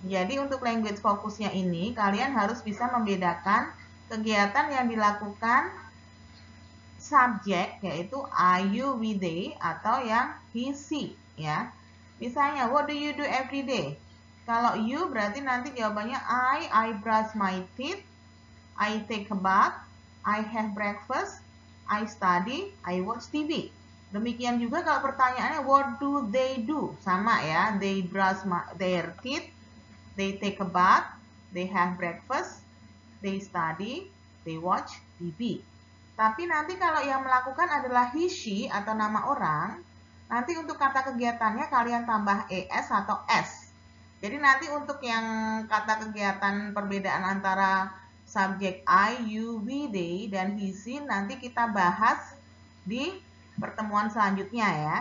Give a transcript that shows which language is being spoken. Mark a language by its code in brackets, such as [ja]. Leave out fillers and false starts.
[id] Jadi untuk language focusnya ini, kalian harus bisa membedakan kegiatan yang dilakukan subjek, yaitu I, you, we, they, atau yang he, she, ya. Misalnya, [en] what do you do every day? [id] Kalau you berarti nanti jawabannya [en] I brush my teeth, I take a bath, I have breakfast, I study, I watch TV. [id] Demikian juga kalau pertanyaannya [en] what do? [id] Sama ya, [en] they brush their teeth, they take a bath, they have breakfast, they study, they watch TV. [id] Tapi nanti kalau yang melakukan adalah he, she atau nama orang, nanti untuk kata kegiatannya kalian tambah es atau s. Jadi nanti untuk yang kata kegiatan perbedaan antara subjek I, you, we, they dan he, she nanti kita bahas di pertemuan selanjutnya ya.